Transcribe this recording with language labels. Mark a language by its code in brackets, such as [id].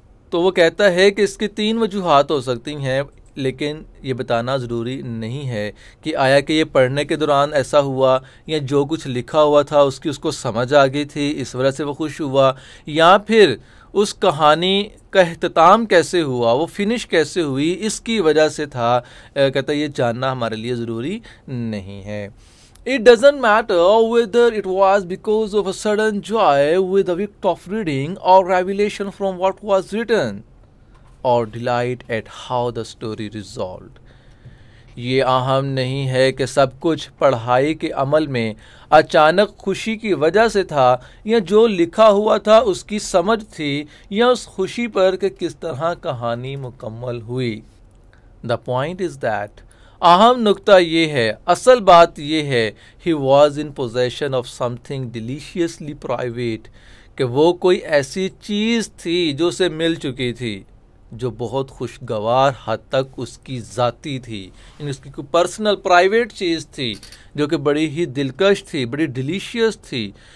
[ur] تو وہ کہتا ہے کہ اس کی تین وجوہات ہو سکتی ہیں، لیکن یہ بتانا ضروری نہیں ہے کہ آیا کہ یہ پڑھنے کے دوران ایسا ہوا، یا جو کچھ لکھا ہوا تھا اس کی اس کو سمجھ آ گئی تھی اس وجہ سے وہ خوش ہوا، یا پھر اس کہانی کا اختتام کیسے ہوا، وہ فنش کیسے ہوئی اس کی وجہ سے تھا. کہتا ہے یہ جاننا ہمارے لیے ضروری نہیں ہے. [en] It doesn't matter whether it was because of a sudden joy with a wit of reading or revelation from what was written or delight at how the story resolved. [ur] یہ اہم نہیں ہے کہ سب کچھ پڑھائی کے عمل میں اچانک خوشی کی وجہ سے تھا، یا جو لکھا ہوا تھا اس کی سمجھ تھی، یا اس خوشی پر کہ کس طرح کہانی مکمل ہوئی. [en] the point is that, [ur] اہم نقطہ یہ ہے، اصل بات یہ ہے، [en] he was in position of something deliciously private, [ur] کہ وہ کوئی ایسی چیز تھی جو اسے مل چکی تھی جو بہت خوشگوار حد تک اس کی ذاتی تھی، یعنی اس کی کوئی پرسنل پرائیویٹ چیز تھی جو کہ بڑی ہی دلکش تھی، بڑی ڈیلیشیس تھی.